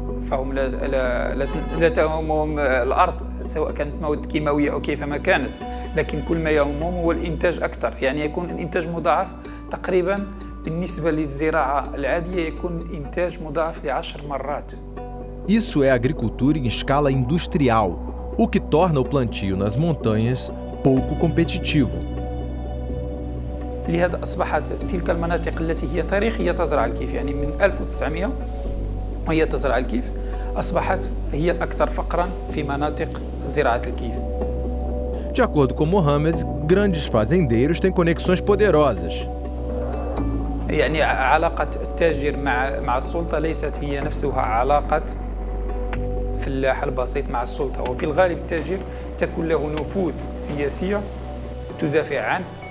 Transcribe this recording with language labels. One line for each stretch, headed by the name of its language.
Arabic: فهم لا تهمهم الأرض سواء كانت مواد كيماوية أو كيفما كانت، لكن كل ما يهمهم هو الإنتاج أكثر، يعني يكون الإنتاج مضاعف تقريبا بالنسبة للزراعة العادية، يكون الإنتاج مضاعف لعشر مرات.
Portuguese: Isso é agricultura em escala industrial, o que torna o plantio nas montanhas pouco competitivo.
Arabic: لهذا أصبحت تلك المناطق التي هي تاريخية تزرع الكيف، يعني من 1900 هي تزرع الكيف، أصبحت هي الأكثر فقراً في مناطق زراعة الكيف.
Portuguese: De acordo com Mohamed, grandes fazendeiros têm conexões poderosas.
Arabic: يعني علاقة التاجر مع السلطة ليست هي نفسها علاقة فلاح البسيط مع السلطة، وفي الغالب التاجر تكون له نفوذ سياسية تدافع عنه،